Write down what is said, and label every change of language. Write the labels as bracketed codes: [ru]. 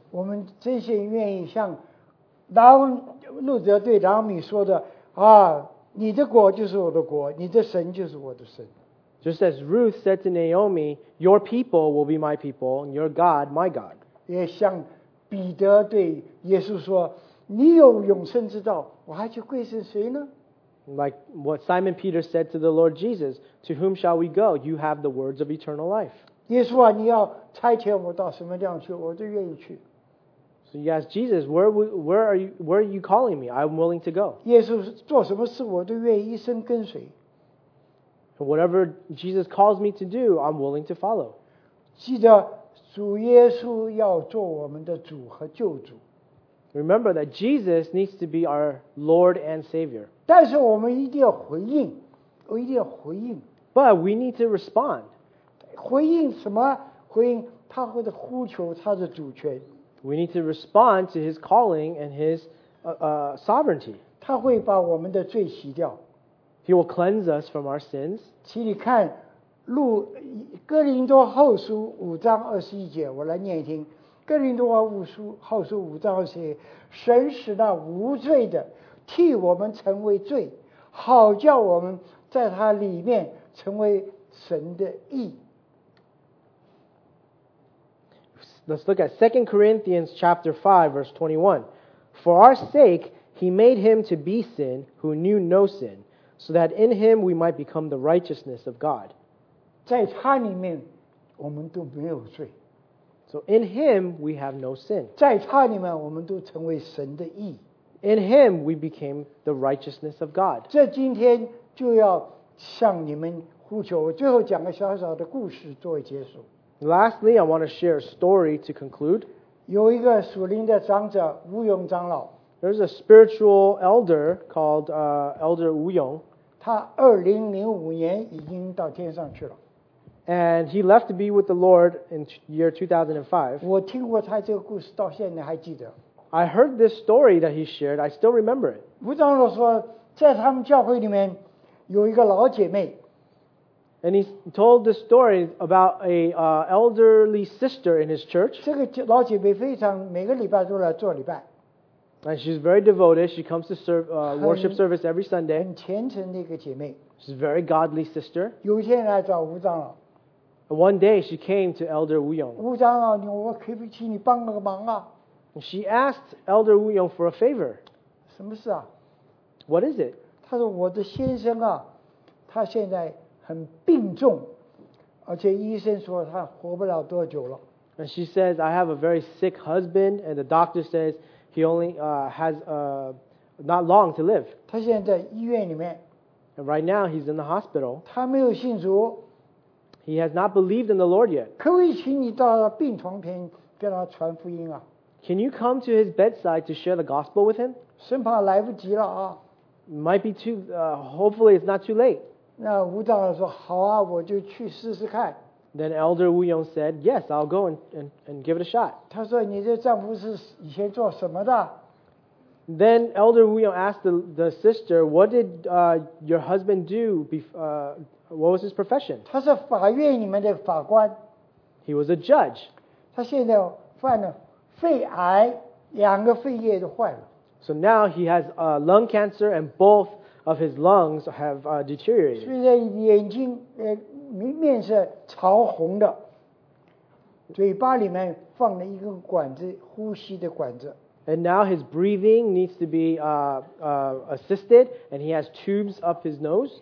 [zh] 我们真是愿意向拿路德对拿米说的啊，你的国就是我的国，你的神就是我的神。 [en] Just as Ruth said to Naomi, "Your people will be my people, and your God my God." [zh] 也像彼得对耶稣说，你有永生之道，我还去归顺谁呢？ [en] Like what Simon Peter said to the Lord Jesus, "To whom shall we go? You have the words of eternal life." [zh] 耶稣啊，你要差遣我到什么地方去，我都愿意去。 [en] So you ask Jesus, where are you calling me? I'm willing to go. [zh] 耶稣做什么事我都愿意一生跟随。 [en] Whatever Jesus calls me to do, I'm willing to follow. [zh] 记得主耶稣要做我们的主和救主。 [en] Remember that Jesus needs to be our Lord and Savior. [zh] 但是我们一定要回应，我一定要回应。 [en] But we need to respond. [zh] 回应什么？回应他会的呼求，他的主权。 [en] We need to respond to his calling and his sovereignty. [zh] 他会把我们的罪洗掉。 [en] He will cleanse us from our sins. [zh] 请你看路哥林多后书五章二十一节，我来念一听。哥林多后书五章二十一节，神使那无罪的替我们成为罪，好叫我们在他里面成为神的义。 [en] Let's look at 2 Corinthians chapter 5, verse 21. For our sake, he made him to be sin who knew no sin, so that in him we might become the righteousness of God. [zh] 在他里面我们都没有罪。 [en] So in him, we have no sin. [zh] 在他里面我们都成为神的义。 [en] In him, we became the righteousness of God. [zh] 这今天就要向你们呼求，我最后讲个小小的故事作为结束。 [en] Lastly, I want to share a story to conclude. [zh] 有一个属灵的长者吴勇长老。 [en] There's a spiritual elder called Elder Wu Yong. [zh] 他2005年已经到天上去了。 [en] And he left to be with the Lord in year 2005. [zh] 我听过他这个故事，到现在还记得。 [en] I heard this story that he shared. I still remember it. [zh] 吴长老说，在他们教会里面有一个老姐妹。 [en] And he told the story about a elderly sister in his church. [zh] 这个老姐妹非常每个礼拜都来做礼拜。 [en] And she's very devoted. She comes to serve worship service every Sunday. [zh] 很虔诚的一个姐妹。 [en] She's a very godly sister. [zh] 有一天来找吴长老。 [en] One day she came to Elder Wu Yong. [zh] 吴长老，你我可不可以请你帮个忙啊？ [en] And she asked Elder Wu Yong for a favor. [zh] 什么事啊？ [en] What is it? [zh] 她说我的先生啊，他现在很病重，而且医生说他活不了多久了。 [en] And she says, I have a very sick husband, and the doctor says he only has not long to live. [zh] 他现在在医院里面。 [en] And right now he's in the hospital. [zh] 他没有信主。 [en] He has not believed in the Lord yet. [zh] 可不可以请你到病床边跟他传福音啊？ [en] Can you come to his bedside to share the gospel with him? [zh] 生怕来不及了啊。 [en] Might be too, hopefully it's not too late. [zh] 那吴长老说好啊，我就去试试看。 [en] Then Elder Wu Yong said, "Yes, I'll go and give it a shot." [zh] 他说你的丈夫是以前做什么的？ [en] Then Elder Wu Yong asked the sister, "What did your husband do? What was his profession?" [zh] 他是法院里面的法官。 [en] He was a judge. [zh] 他现在犯了肺癌，两个肺叶都坏了。 [en] So now he has lung cancer and both of his lungs have deteriorated. [zh] 现在眼睛面是潮红的，嘴巴里面放了一个管子，呼吸的管子。 [en] And now his breathing needs to be assisted, and he has tubes up his nose.